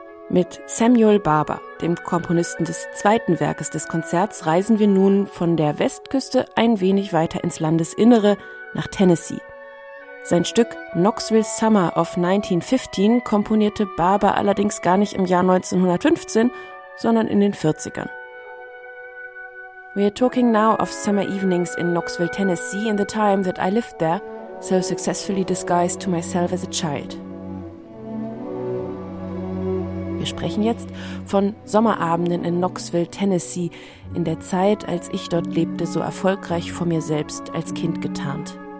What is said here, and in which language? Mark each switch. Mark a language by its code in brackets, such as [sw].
[de] Mit Samuel Barber, dem Komponisten des zweiten Werkes des Konzerts, reisen wir nun von der Westküste ein wenig weiter ins Landesinnere, nach Tennessee. Sein Stück Knoxville Summer of 1915 komponierte Barber allerdings gar nicht im Jahr 1915, sondern in den 40ern. [en] We are talking now of summer evenings in Knoxville, Tennessee, in the time that I lived there, so successfully disguised to myself as a child. [de] Wir sprechen jetzt von Sommerabenden in Knoxville, Tennessee, in der Zeit, als ich dort lebte, so erfolgreich vor mir selbst als Kind getarnt.